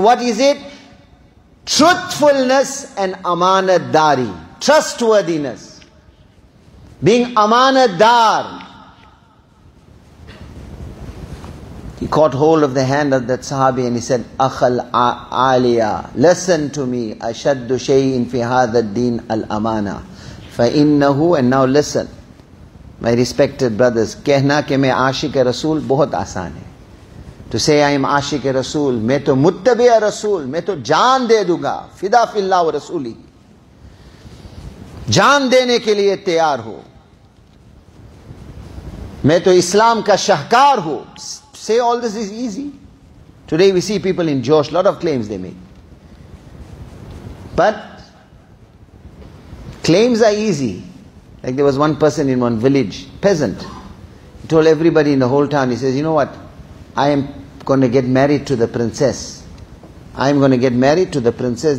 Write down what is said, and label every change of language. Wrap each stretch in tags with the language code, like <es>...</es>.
<en>What is it? Truthfulness and amanatdari. Trustworthiness. Being amanatdar. He caught hold of the hand of that sahabi and he said, Akhal Aliya, listen to me.</en> <ar>Ashaddu shay'in fi hadha ad-din al-amana. فَإِنَّهُ</ar> <en>And now listen, my respected brothers,</en> <ur>کہنا کہ میں عاشق رسول بہت آسان ہے.</ur> <en>To say I am</en> <ur>عاشق رسول, میں تو متبع رسول, میں تو جان دے دوں گا, فدا فی اللہ و رسولی, جان دینے کے لئے تیار ہو, میں تو اسلام کا شہکار ہو.</ur> <en>Say all this is easy. Today we see people in Josh, lot of claims they make. But claims are easy. Like there was one person in one village, peasant. He told everybody in the whole town, he says, you know what? I am going to get married to the princess. I am going to get married to the princess.</en>